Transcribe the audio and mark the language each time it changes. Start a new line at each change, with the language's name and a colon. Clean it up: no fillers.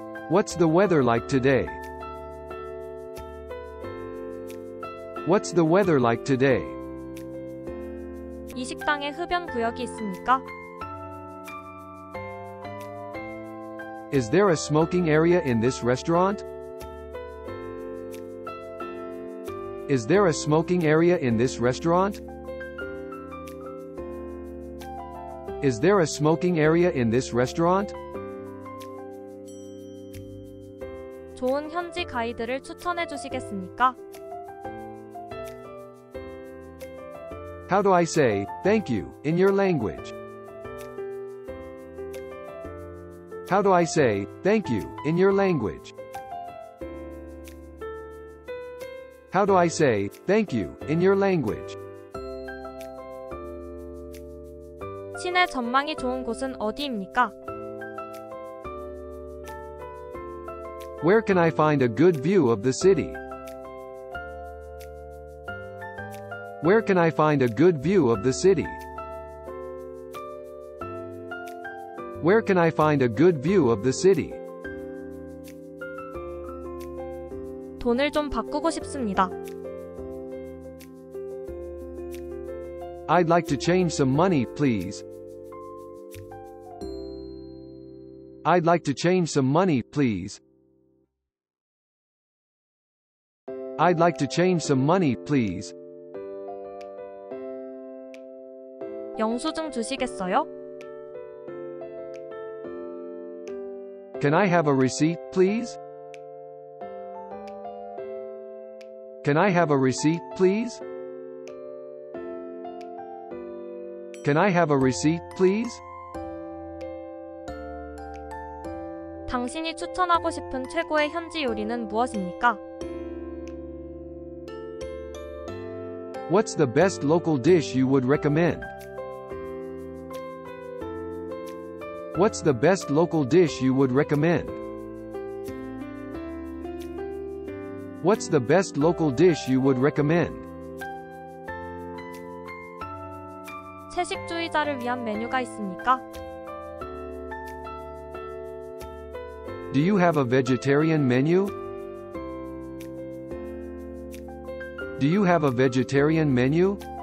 English: What's the weather like today? What's the weather like today?
Korean: 이 식당에 흡연 구역이 있습니까?
English: Is there a smoking area in this restaurant? Is there a smoking area in this restaurant? Is there a smoking area in this restaurant?
Korean: 좋은 현지 가이드를 추천해 주시겠습니까?
English: How do I say thank you in your language? How do I say thank you in your language? How do I say thank you in your language?
Korean: 시내 전망이 좋은 곳은 어디입니까?
English: Where can I find a good view of the city? Where can I find a good view of the city? Where can I find a good view of the city?
Korean: 돈을 좀 바꾸고 싶습니다.
English: I'd like to change some money, please. I'd like to change some money, please. I'd like to change some money, please.
Korean: 영수증 주시겠어요?
English: Can I have a receipt, please? Can I have a receipt, please? Can I have a receipt, please?
Korean: 당신이 추천하고 싶은 최고의 현지 요리는 무엇입니까?
English: What's the best local dish you would recommend? What's the best local dish you would recommend? What's the best local dish you would recommend?
Korean: 채식주의자를 위한 메뉴가 있습니까?
English: Do you have a vegetarian menu? Do you have a vegetarian menu?